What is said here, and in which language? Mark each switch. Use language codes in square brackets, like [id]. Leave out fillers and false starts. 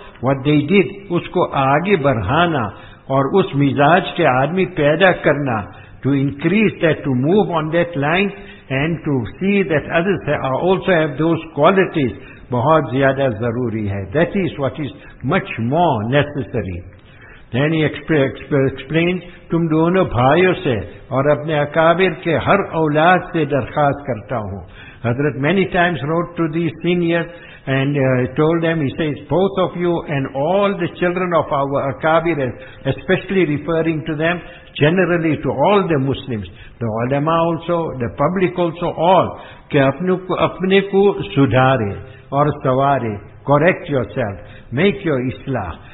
[en] what they did, [ur] usko aage barhana, aur us mizaj ke aadmi paida karna, [en] to increase that, to move on that line, and to see that others also have those qualities, [ur] bahut zyada zaruri hai. [en] That is what is much more necessary. Then he explains, [ur] تم دونوں بھائیوں سے اور اپنے اکابر کے ہر اولاد سے درخواست کرتا ہوں. [en] حضرت many times wrote to these seniors and told them, he says, both of you and all the children of our akabir, especially referring to them, generally to all the Muslims, the ulama also, the public also, all, [ur] کہ اپنے کو سدھارے اور سوارے, [en] correct yourself, make your islah.